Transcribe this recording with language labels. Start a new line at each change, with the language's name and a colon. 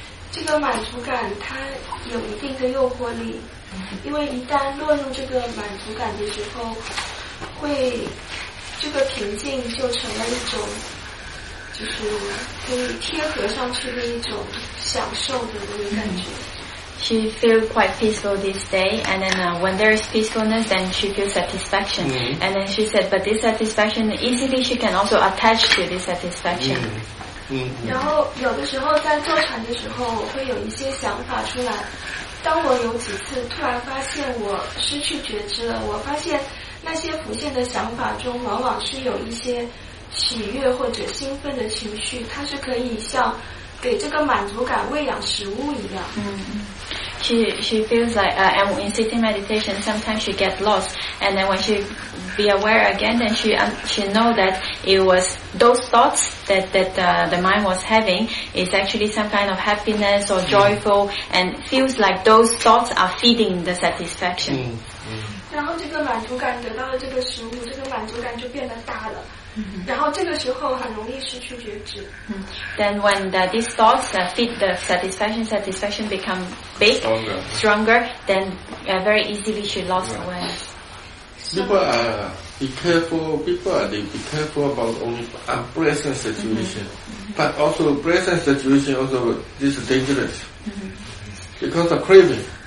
Chinese: 这个满足感它有一定的诱惑力，因为一旦落入这个满足感的时候，会这个平静就成了一种就是可以贴合上去的一种享受的那种感觉。
English: She feels quite peaceful this day, and then when there is peacefulness, then she feels satisfaction. And then she said, but this satisfaction easily she can also attach to this satisfaction.
Chinese: 然后有的时候在坐禅的时候，我会有一些想法出来。当我有几次突然发现我失去觉知了，我发现那些浮现的想法中，往往是有一些喜悦或者兴奋的情绪，它是可以像给这个满足感喂养食物一样。
English: She feels like in sitting meditation sometimes she gets lost, and then when she be aware again, then she know that it was those thoughts that the mind was having is actually some kind of happiness or joyful, and feels like those thoughts are feeding the satisfaction.
Chinese: 然后这个满足感得到了这个食物，这个满足感就变得大了。然后这个时候很容易失去觉知。
English: Then when these thoughts feed the satisfaction become big, stronger, then very easily she lost awareness. People are be careful about only unpleasant situation, but also pleasant situation also this is dangerous because of craving.